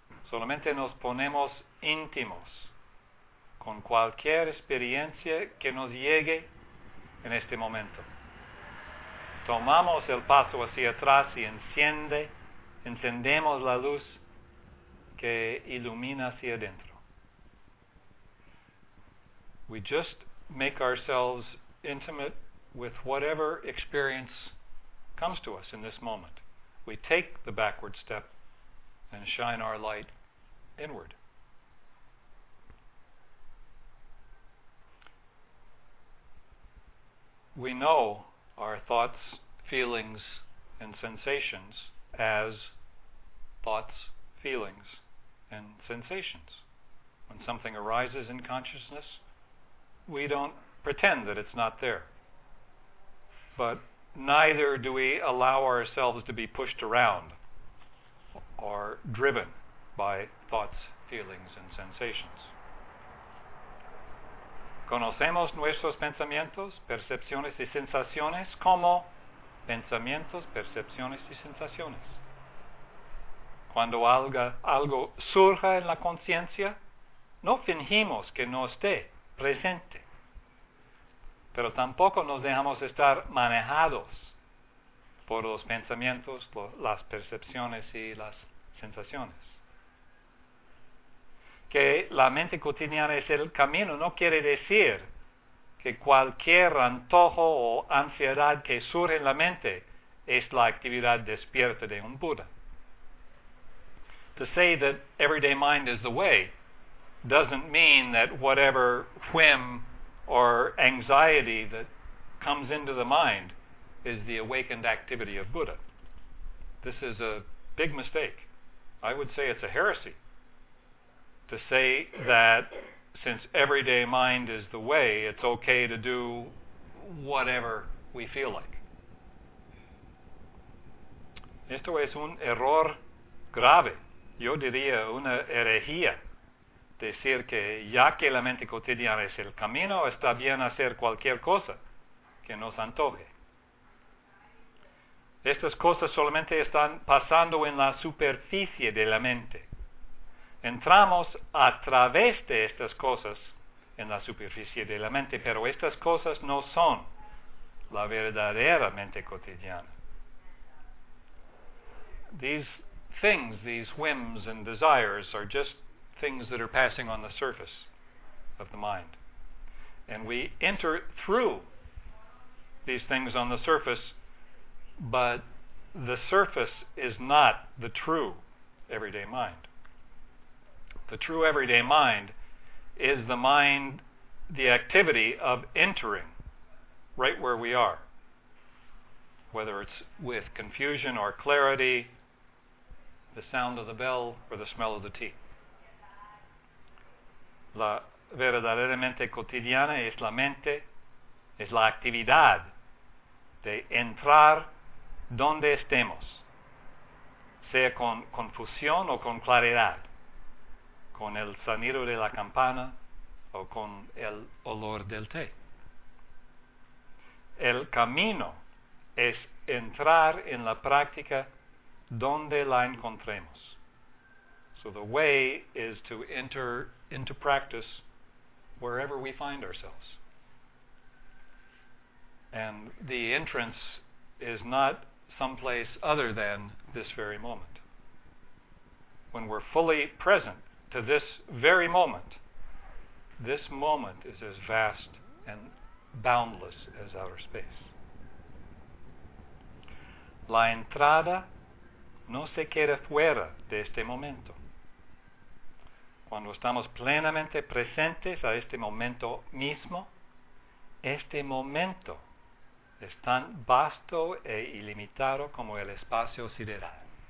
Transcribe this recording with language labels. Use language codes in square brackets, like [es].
[es] Solamente nos ponemos íntimos con cualquier experiencia que nos llegue en este momento. Tomamos el paso hacia atrás y encendemos la luz que ilumina hacia adentro. [en] We just make ourselves intimate with whatever experience comes to us in this moment. We take the backward step and shine our light inward. We know our thoughts, feelings, and sensations as thoughts, feelings, and sensations. When something arises in consciousness, we don't pretend that it's not there. But neither do we allow ourselves to be pushed around or driven by thoughts, feelings, and sensations. [es] Conocemos nuestros pensamientos, percepciones y sensaciones como pensamientos, percepciones y sensaciones. Cuando algo surja en la conciencia, no fingimos que no esté presente, pero tampoco nos dejamos estar manejados por los pensamientos, las percepciones y las sensaciones. Que la mente cotidiana es el camino no quiere decir que cualquier antojo o ansiedad que surge en la mente es la actividad despierta de un Buda. [en] To say that everyday mind is the way doesn't mean that whatever whim or anxiety that comes into the mind is the awakened activity of Buddha. This is a big mistake. I would say it's a heresy to say that since everyday mind is the way, it's okay to do whatever we feel like. [es] Esto es un error grave. Yo diría una herejía, decir que ya que la mente cotidiana es el camino, está bien hacer cualquier cosa que nos antoje. Estas cosas solamente están pasando en la superficie de la mente. entramos a través de estas cosas en la superficie de la mente, pero estas cosas no son la verdadera mente cotidiana. [en] These things, these whims and desires, are just things that are passing on the surface of the mind. And we enter through these things on the surface, but the surface is not the true everyday mind. The true everyday mind is the mind, the activity of entering right where we are, whether it's with confusion or clarity, the sound of the bell or the smell of the tea. [es] La verdadera mente cotidiana es la mente, es la actividad de entrar donde estemos, sea con confusión o con claridad, con el sonido de la campana o con el olor del té. El camino es entrar en la práctica donde la encontremos. [en] So the way is to enter into practice wherever we find ourselves. And the entrance is not someplace other than this very moment. When we're fully present to this very moment, this moment is as vast and boundless as outer space. [es] La entrada no se queda fuera de este momento. Cuando estamos plenamente presentes a este momento mismo, este momento es tan vasto e ilimitado como el espacio sideral.